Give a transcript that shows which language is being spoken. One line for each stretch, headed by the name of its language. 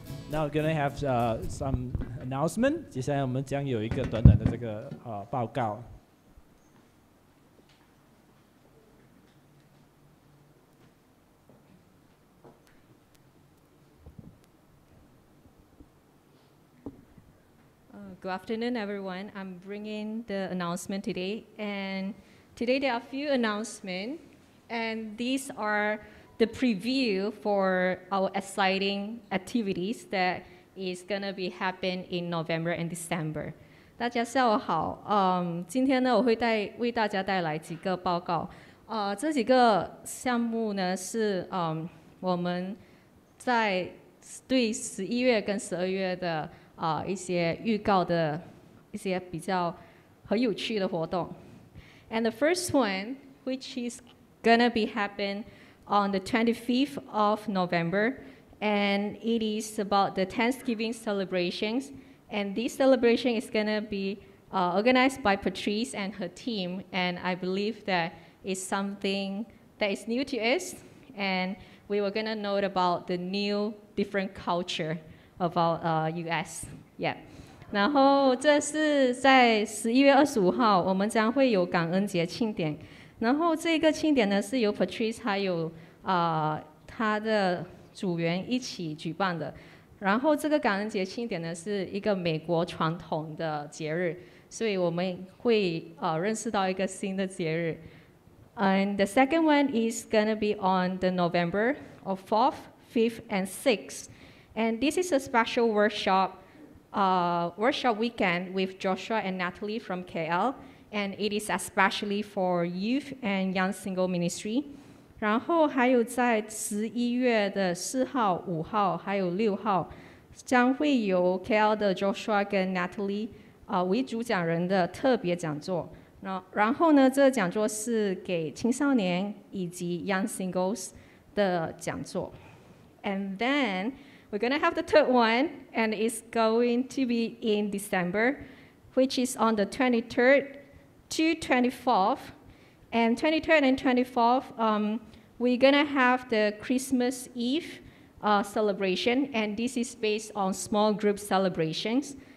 English: Now we're going to have some announcement.
Chinese: 接下来我们将有一个短短的这个报告。
English: Good afternoon, everyone. I'm bringing the announcement today. And today there are a few announcements. And these are the preview for our exciting activities that is going to be happening in November and December.
Chinese: 大家下午好。今天呢，我会为大家带来几个报告。这几个项目呢，是我们在对11月跟12月的一些预告的一些比较很有趣的活动。
English: And the first one, which is gonna be happen on the 25th of November, and it is about the Thanksgiving celebrations. And this celebration is gonna be organized by Patrice and her team. And I believe that is something that is new to us. And we were gonna know about the new different culture about US. Yeah.
Chinese: 然后这是在11月25号我们将会有感恩节庆典，然后这个庆典呢是由 Patrice 还有他的组员一起举办的。然后这个感恩节庆典呢是一个美国传统的节日，所以我们会认识到一个新的节日。
English: And the second one is gonna be on the November of 4th, 5th and 6th. And this is a special workshopworkshop weekend with Joshua and Natalie from KL, and it is especially for youth and young single ministry.
Chinese: 然后还有在11月的4号、5号还有6号将会有 KL 的 Joshua 跟 Natalie 为主讲人的特别讲座。然后呢，这个讲座是给青少年以及 young singles 的讲座。
English: And thenWe're going to have the third one, and it's going to be in December, which is on the 23rd to 24th. And 23rd and 24th, we're going to have the Christmas Eve celebration, and this is based on small group celebrations.